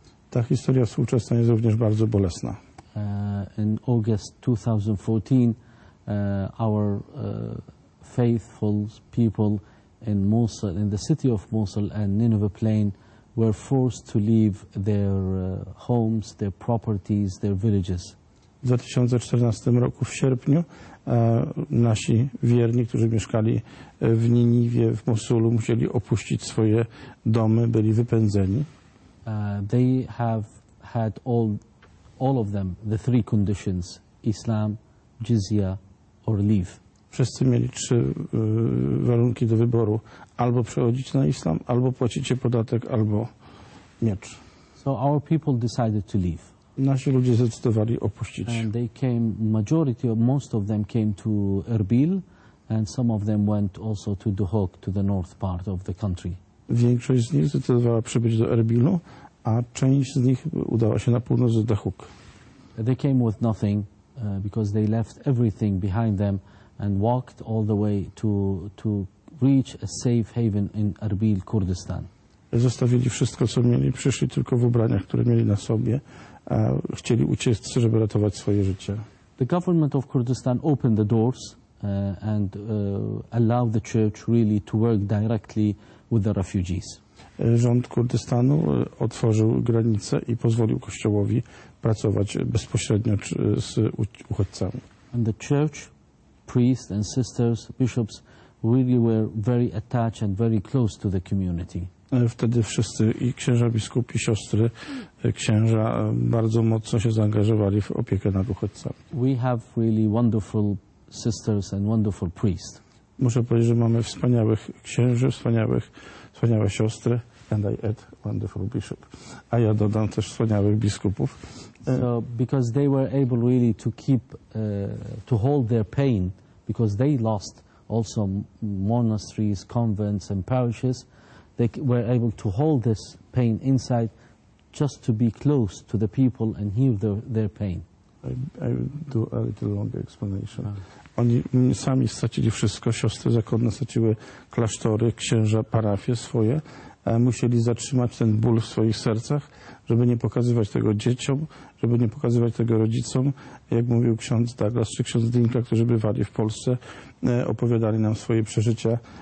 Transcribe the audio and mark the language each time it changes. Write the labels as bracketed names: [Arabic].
[Polish] Ta historia współczesna jest również bardzo bolesna. [English] In August 2014, our faithful people in Mosul, in the city of Mosul and Nineveh Plain, were forced to leave their homes, their properties, their villages. [Polish] W 2014 roku w sierpniu nasi wierni, którzy mieszkali w Niniwie, w Mosulu, musieli opuścić swoje domy, byli wypędzeni. [English] They have had all of them, the three conditions, Islam, Jizya, or leave. [Polish] Wszyscy mieli trzy warunki do wyboru. Albo przechodzić na islam, albo płacić się podatek, albo miecz. [English] So our people decided to leave. [Polish] Nasi ludzie zdecydowali opuścić. [English] And they came, majority of, most of them came to Erbil, and some of them went also to Duhok, to the north part of the country. [Polish] Większość z nich zdecydowała przybyć do Erbilu, a część z nich udała się na północ do Duhok. [English] They came with nothing, because they left everything behind them and walked all the way to reach a safe haven in Erbil, Kurdistan. [Polish] Zostawili wszystko, co mieli, przyszli tylko w ubraniach, które mieli na sobie, a chcieli uciec, żeby ratować swoje życie. [English] The government of Kurdistan opened the doors and allowed the church really to work directly with the refugees. [Polish] Rząd Kurdystanu otworzył granice i pozwolił kościołowi pracować bezpośrednio z uchodźcami. [English] And the church, priests and sisters, bishops really were very attached and very close to the community. [Polish] Wtedy wszyscy i księża biskupi, siostry księża bardzo mocno się zaangażowali w opiekę nad uchodźcami. [English] We have really wonderful sisters and wonderful priests. [Polish] Muszę powiedzieć, że mamy wspaniałych księży, wspaniałe siostry, [English] and I add wonderful bishop. [Polish] A ja dodam też wspaniałych biskupów. [English] So, because they were able really to keep, to hold their pain, because they lost also monasteries, convents and parishes, they were able to hold this pain inside just to be close to the people and heal their pain. I do a little longer explanation. [Polish] Oni sami stracili wszystko, siostry zakonne straciły klasztory, księża, parafie swoje. Musieli zatrzymać ten ból w swoich sercach, żeby nie pokazywać tego dzieciom, żeby nie pokazywać tego rodzicom. Jak mówił ksiądz Douglas czy ksiądz Dinka, którzy bywali w Polsce, opowiadali nam swoje przeżycia.